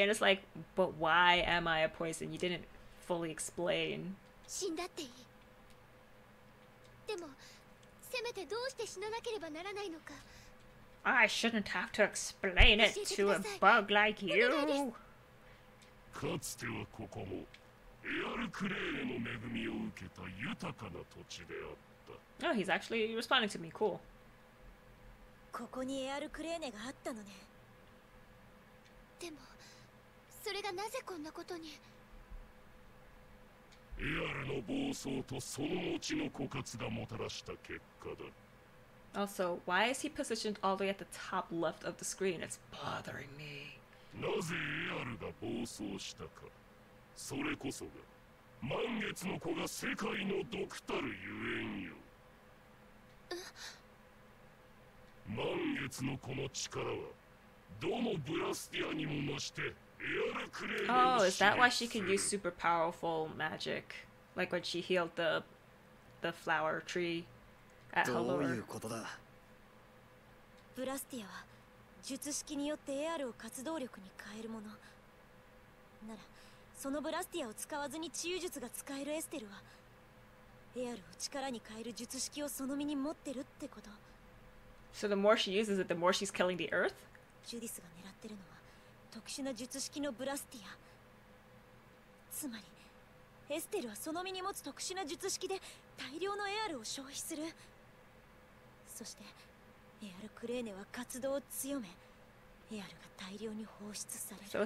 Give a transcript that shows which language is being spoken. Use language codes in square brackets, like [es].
[en] And it's like, but why am I a poison? You didn't fully explain. [ja] 死んだっていい。でもせめてどうして死ななければならないのか。 [en] I shouldn't have to explain it to a bug like you. [ja] かつてはここもエアルクレーの恵みを受けた豊かな土地であった。 [en] Oh, he's actually responding to me. Cool. [ja] ここにエアルクレーネがあったのね。でもそれがなぜこんなことに。エアルの暴走とその後の枯渇がもたらした結果だ。 [en] Also, why is he positioned all the way at the top left of the screen? It's bothering me. [ja] なぜエアルが暴走したか。それこそが満月の子が世界の毒たるゆえんよ。満月の子の力はどのブラスティアにも増してエアルクレーネを支援する。 [en] Oh, is that why she can use super powerful magic? Like when she healed the flower tree? [ja] どういうことだ。ブラスティアは術式によってエアルを活動力に変えるものなら、そのブラスティアを使わずに治癒術が使えるエステルはエアルを力に変える術式をその身に持ってるってこと。 [en] So the more she uses it, the more she's killing the earth? [ja] ジュディスが狙ってるのは特殊な術式のブラスティア、つまりエステルはその身に持つ特殊な術式で大量のエアルを消費する。そしてエアルクレーネは活動を強め、エアルが大量に放出される。